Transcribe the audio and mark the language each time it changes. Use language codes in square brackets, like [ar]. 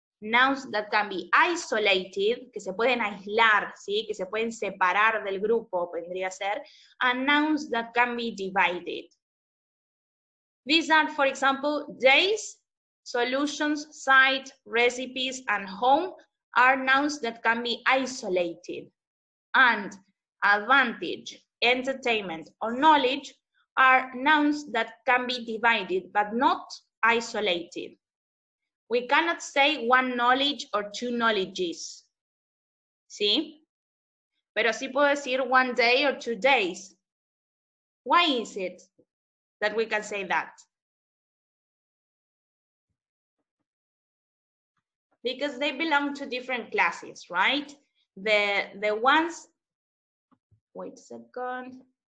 [en] Nouns that can be isolated, [es] que se pueden aislar, ¿sí? Que se pueden separar del grupo, vendría a ser. [en] And nouns that can be divided. These are, for example, days, solutions, site, recipes, and home are nouns that can be isolated. And advantage, entertainment, or knowledge are nouns that can be divided, but not isolated. We cannot say one knowledge or two knowledges. [es] ¿Sí? Pero sí puedo decir [en] one day or two days. Why is it that we can say that? Because they belong to different classes, right? The ones, wait a second.